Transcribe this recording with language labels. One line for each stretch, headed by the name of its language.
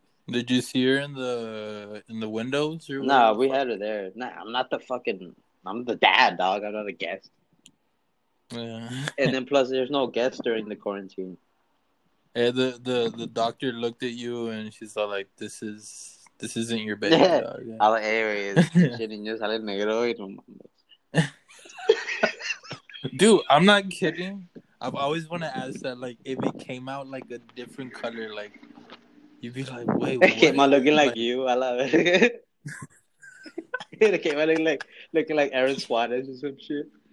English: Did you see her in the windows? Or no, we had her there. Nah, I'm not the fucking... I'm the dad, dog. I'm not a guest. Yeah. And then plus, there's no guests during the quarantine. Hey, the doctor looked at you and she's all like, this isn't your baby, dog. Yeah.
Spanish: Anyways, el niño sale negro y no mames.
English: Dude, I'm not kidding. I've always wanted to ask that, like, if it came out, like, a different color, like... You'd be like, wait, what? It came out looking like you. I love it. It came out looking like Aaron Suarez or some shit.